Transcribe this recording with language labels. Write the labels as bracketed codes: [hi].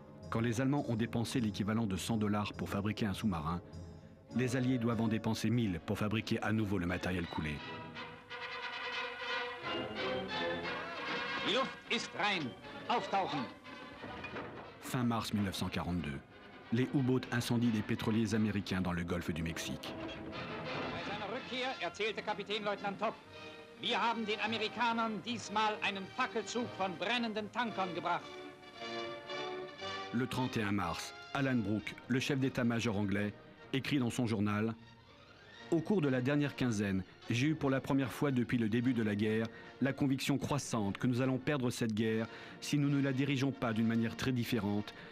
[fr] Quand les Allemands ont dépensé l'équivalent de $100 pour fabriquer un sous-marin, les Alliés doivent en dépenser 1000 pour fabriquer à nouveau le matériel coulé. [de] Die Luft ist rein. Auftauchen. [fr] Fin mars 1942. Les U-Boot incendient des pétroliers américains dans le golfe du Mexique. [de] Bei seiner Rückkehr erzählte Kapitänleutnant Topp: Wir haben den Amerikanern diesmal einen Fackelzug von brennenden Tankern gebracht. [fr] Le 31 mars, Alan Brooke, le chef d'état-major anglais, écrit dans son journal: Au cours de la dernière quinzaine, j'ai eu pour la première fois depuis le début de la guerre la conviction croissante que nous allons perdre cette guerre si nous ne la dirigeons pas d'une manière très différente.